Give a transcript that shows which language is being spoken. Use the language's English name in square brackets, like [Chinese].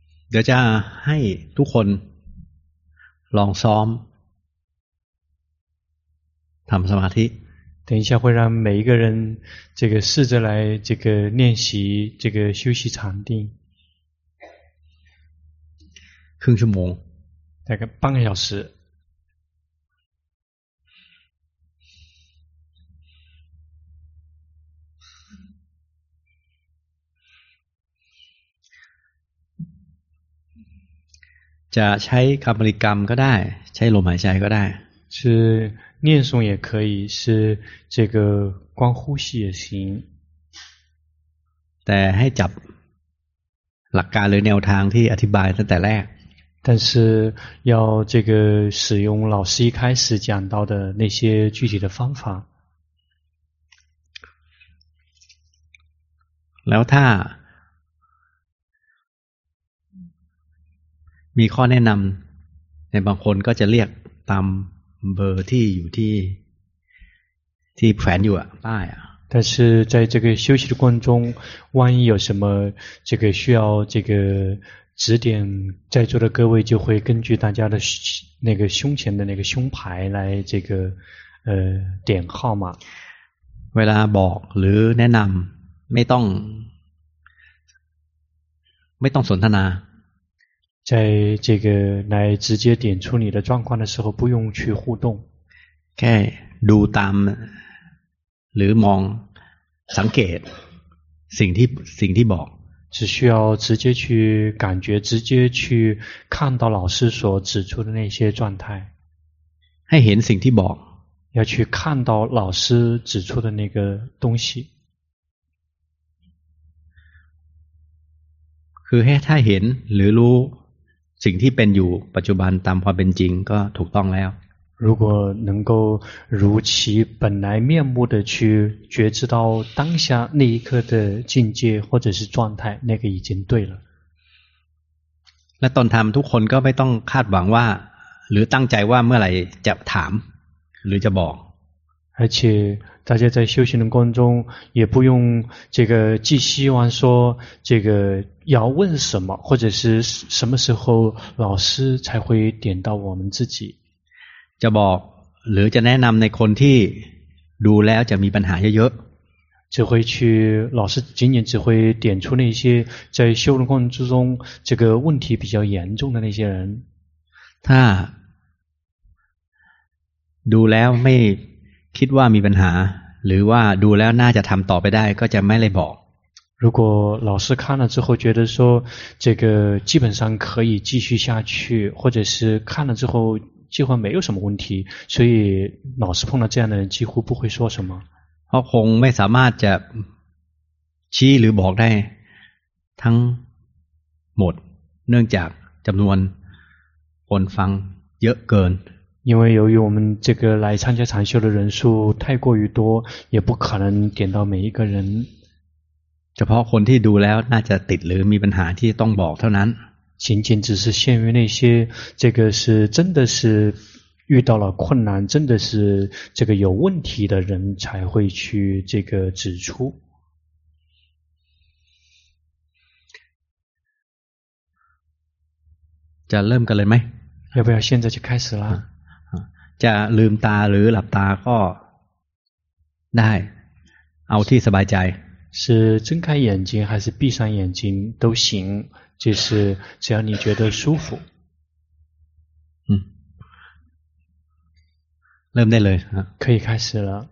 [Thai] เดี๋ยวจะให้ทุกคนลองซ้อมทำสมาธิ [Chinese] 等一下会让每一个人这个试着来这个练习这个休息禅定 [Thai] ครึ่งชั่วโมง [Chinese] 大概半个小时 [Thai] จะใช้คำบริกรรมก็ได้ใช้ลมหายใจก็ได้ [Chinese] 是念诵也可以是这个光呼吸也行 [Thai] แต่ให้จับหลักการหรือแนวทางที่อธิบายตั้งแต่แรก [Chinese] 但是要这个使用老师一开始讲到的那些具体的方法 [Thai] แล้วถ้ามีข้อแนะนำในบางคนก็จะเรียกตามเบอร์ที่อยู่ที่แขวนอยู่อ่ะป้ายอ่ะ [Chinese] 但是在这个休息的过程中万一有什么这个需要这个指点在座的各位就会根据大家的那个胸前的那个胸牌来这个点号码 [Thai] เวลาบอกหรือแนะนำไม่ต้องสนทนา [Chinese] 在这个来直接点出你的状况的时候不用去互动 [Thai] แค่ดูตามหรือมองสังเกตสิ่งที่บอก [Chinese] 只需要直接去感觉直接去看到老师所指出的那些状态 [Thai] ให้เห็นสิ่งที่บอก [Chinese] 要去看到老师指出的那个东西 [Thai] คือให้ถ้าเห็นหรือรู้สิ่งที่เป็นอยู่ปัจจุบันตามความเป็นจริงก็ถูกต้องแล้ว [Chinese] 如果能够如其本来面目的去觉知到当下那一刻的境界或者是状态，那个已经对了。 [Thai] และตอนทำทุกคนก็ไม่ต้องคาดหวังว่าหรือตั้งใจว่าเมื่อไหร่จะถามหรือจะบอก。 [Chinese] 而且大家在修行的过程中也不用这个寄希望说这个要问什么或者是什么时候老师才会点到我们自己。 [Thai] จะบอกหรือจะแนะนำในคนที่ดูแล้วจะมีปัญหาเยอะ [Chinese] ๆ只会去老师仅仅只会点出那些在修行过程之中这个问题比较严重的那些人 [Thai] ถ้าดูแล้วไม่คิดว่ามีปัญหาหรือว่าดูแล้วน่าจะทำต่อไปได้ก็จะไม่เลยบอก [Chinese] 如果老师看了之后觉得说这个基本上可以继续下去或者是看了之后几乎没有什么问题所以老师碰到这样的人几乎不会说什么 [Thai] 他คงไม่สามารถจะชี้หรือบอกได้ทั้งหมดเนื่องจากจำนวนคนฟังเยอะเกิน [Chinese] 因为由于我们这个来参加禅修的人数太过于多也不可能点到每一个人 [Thai] เฉพาะคนที่ดูแล้วน่าจะติดหรือมีปัญหาที่ต้องบอกเท่านั้น [Chinese] 仅仅只是限于那些这个是真的是遇到了困难真的是这个有问题的人才会去这个指出 [Thai] จะเริ่มกันเลยไหม [Chinese] 要不要现在就开始了 [Thai] จะลืมตาหรือหลับตาก็ได้เอาที่สบายใจ [Chinese] 是睁开眼睛还是闭上眼睛都行就是只要你觉得舒服 [Thai] 嗯เริ่มได้เลย คือ [Chinese] 开始了